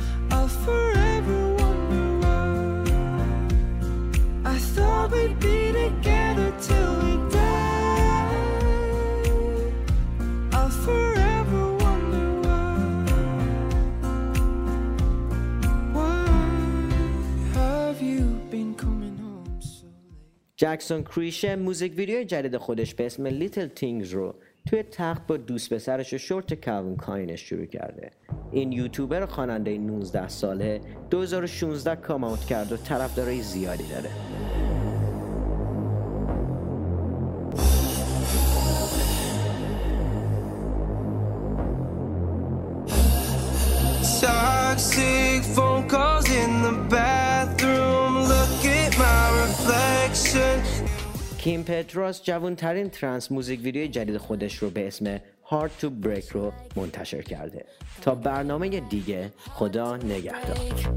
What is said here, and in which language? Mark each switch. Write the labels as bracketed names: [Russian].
[English] I'll forever wonder why. I thought we'd be together till we die. I'll forever wonder why. Why have you been coming home so late? [Persian] Jackson Creche music video جدید خودش به اسم Little Things رو توی تخت با دوست پسرش شورت کالون کاینش شروع کرده. این یوتیوبر خواننده 19 ساله 2016 کام اوت کرد و طرفدارای زیادی داره. [English] Toxic phone calls in the bathroom, look at my reflection. [Persian] کیم پتروس جوان‌ترین ترنس موزیک ویدیوی جدید خودش رو به اسم Hard to Break رو منتشر کرده. تا برنامه دیگه، خدا نگهدار.